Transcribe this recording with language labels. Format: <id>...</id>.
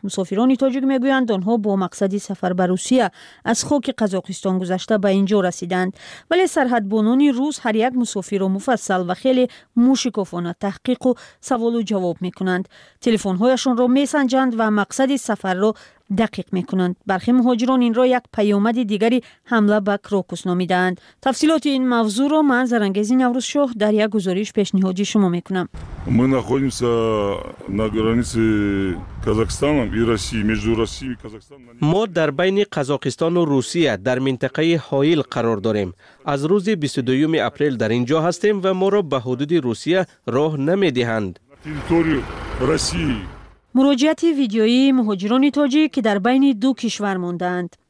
<fa>مسافران تاجیک میگویند آنها با مقصد سفر به روسیه از خاک قزاقستان گذشته به اینجا رسیدند، ولی سرحد بانان روس هر یک مسافر را مفصل و خیلی موشکافانه تحقیق و سوال و جواب میکنند، تلفن هایشون را میسنجند و مقصد سفر را دقیق میکنند. برخی مهاجران این را یک پیامد دیگری حمله به کروکوس نامیدند. تفصیلات این موضوع را من زرنگزی نوروز شاه در یک گزارش پیشنهادی شما میکنم.</fa> <ru>ما находимся на границе Казахстана и России, между Россией и Казахстаном.</ru> <fa>ما در بین قزاقستان و روسیه در منطقه حائل قرار داریم. از روز 22 اپریل در اینجا هستیم و ما را به حدود روسیه راه نمیدهند.</fa> <ru>территорию России.</ru> <fa>مراجعت ویدیویی مهاجران تاجیک که در بین دو کشور ماندند.</fa>